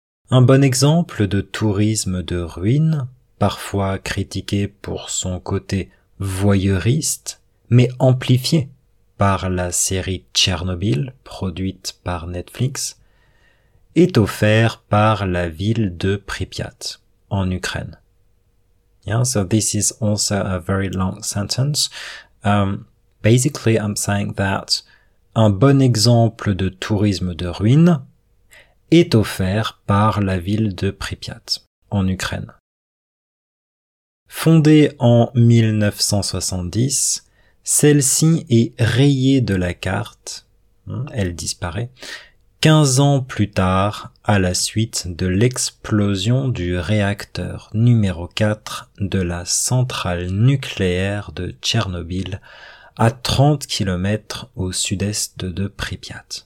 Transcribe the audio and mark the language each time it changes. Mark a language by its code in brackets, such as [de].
[fr] Un bon exemple de tourisme de ruines, parfois critiqué pour son côté voyeuriste, mais amplifié par la série Tchernobyl produite par Netflix, est offert par la ville de Pripyat, en Ukraine. [en] Yeah, so this is also a very long sentence. Basically, I'm saying that [fr] un bon exemple de tourisme de ruines est offert par la ville de Pripyat, en Ukraine. Fondée en 1970, celle-ci est rayée de la carte, elle disparaît, 15 ans plus tard, à la suite de l'explosion du réacteur numéro 4 de la centrale nucléaire de Tchernobyl, à 30 km au sud-est de Pripyat.